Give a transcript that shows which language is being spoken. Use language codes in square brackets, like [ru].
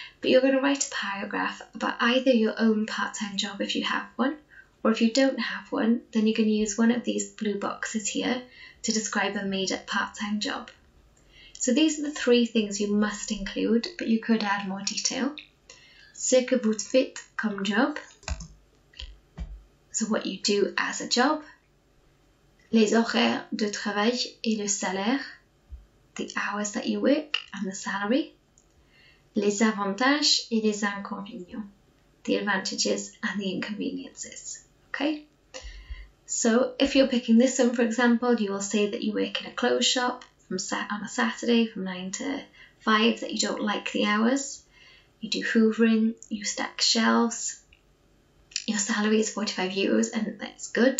[en] But you're going to write a paragraph about either your own part-time job if you have one, or if you don't have one, then you're going to use one of these blue boxes here to describe a made-up part-time job. So these are the three things you must include, but you could add more detail. [fr] Ce que vous faites comme job. [en] So what you do as a job. [fr] Les horaires de travail et le salaire. [en] The hours that you work and the salary. [fr] Les avantages et les inconvénients. [en] The advantages and the inconveniences. Okay? So if you're picking this one, for example, you will say that you work in a clothes shop on a Saturday from 9 to 5, that you don't like the hours. You do hoovering, you stack shelves. Your salary is 45 euros and that's good.